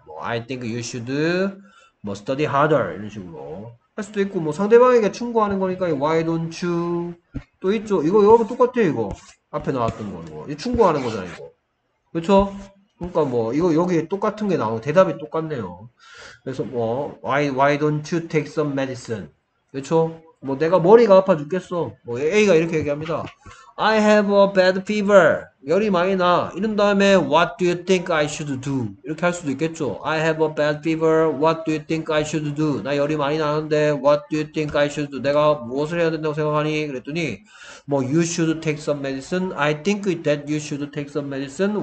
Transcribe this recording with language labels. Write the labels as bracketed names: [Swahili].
[Korean] 뭐 [English] I think you should [Korean] 뭐 [English] study harder [Korean] 이런 식으로 할 수도 있고 뭐 상대방에게 충고하는 거니까 [English] why don't you [Korean] 또 있죠. 이거 여러분 똑같아요. 이거 앞에 나왔던 거 이거 충고하는 거잖아요. 이거 그렇죠? 그러니까 뭐 이거 여기에 똑같은 게 나오고 대답이 똑같네요. 그래서 뭐 [English] why don't you take some medicine? [Korean] 그렇죠? 뭐 내가 머리가 아파 죽겠어. 뭐 A가 이렇게 얘기합니다. [English] I have a bad fever. [Korean] 열이 많이 나. 이런 다음에 [English] what do you think I should do? [Korean] 이렇게 할 수도 있겠죠. [English] I have a bad fever. What do you think I should do? [Korean] 나 열이 많이 나는데 [English] what do you think I should do? [Korean] 내가 무엇을 해야 된다고 생각하니? 그랬더니 뭐 [English] you should take some medicine. I think that you should take some medicine.